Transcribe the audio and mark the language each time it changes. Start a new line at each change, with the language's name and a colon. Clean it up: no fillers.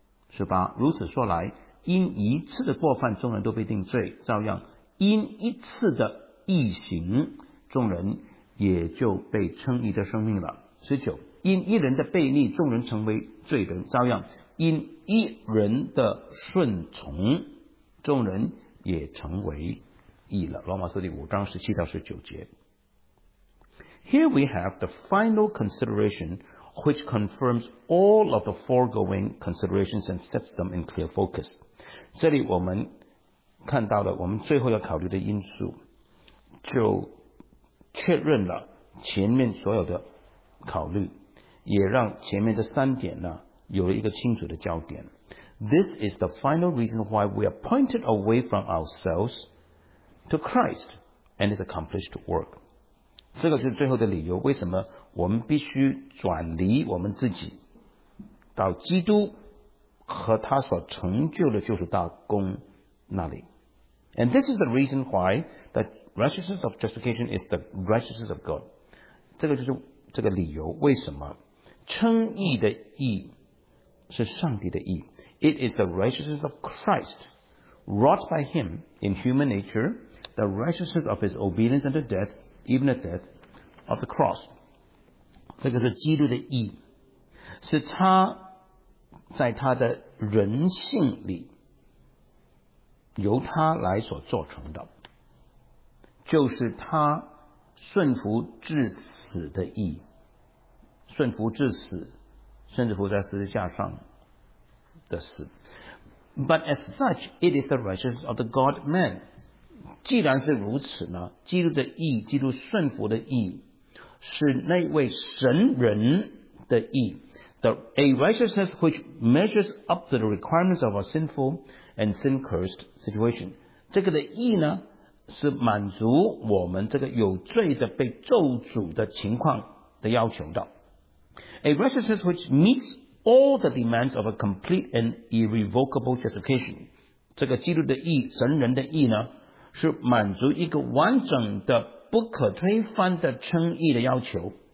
Chinese: 是吧，如此说来，因一次的过犯众人都被定罪，照样因一次的义行众人也就被称义的生命了。 19，因一人的悖逆众人成为罪人，照样因一人的顺从众人也成为义了。罗马书第五章17-19节。
English: Here we have the final consideration which confirms all of the foregoing considerations and sets them in clear focus。
Chinese: 这里我们看到了我们最后要考虑的因素，就确认了前面所有的考虑，也让前面的三点呢有了一个清楚的焦点。
English: This is the final reason why we are pointed away from ourselves to Christ and His accomplished work。
Chinese: 这个就是最后的理由，为什么我们必须转离我们自己到基督和他所成就的救赎大功那里。
English: And this is the reason why the righteousness of justification is the righteousness of God。
Chinese: 这个就是这个理由，为什么称义的义是上帝的义。
English: It is the righteousness of Christ wrought by him in human nature, the righteousness of his obedience unto death, even the death of the cross。
Chinese: 这个是基督的义，是他在他的人性里由他来所做成的，就是他顺服至死的义，顺服至死，甚至服在十字架上的死。
English: But as such, it is the righteousness of the God-man。
Chinese: 既然是如此呢，基督的义，基督顺服的义，是那位神人的义。
English: A righteousness which measures up to the requirements of our sinful and sin-cursed situation。
Chinese: 这个的义呢，是满足我们这个有罪的被咒诅的情况的要求的。
English: A righteousness which meetsall the demands of a complete and irrevocable justification。
Chinese: 这个基督的义，神人的义呢，是满足一个完整的不可推翻的称义的要求。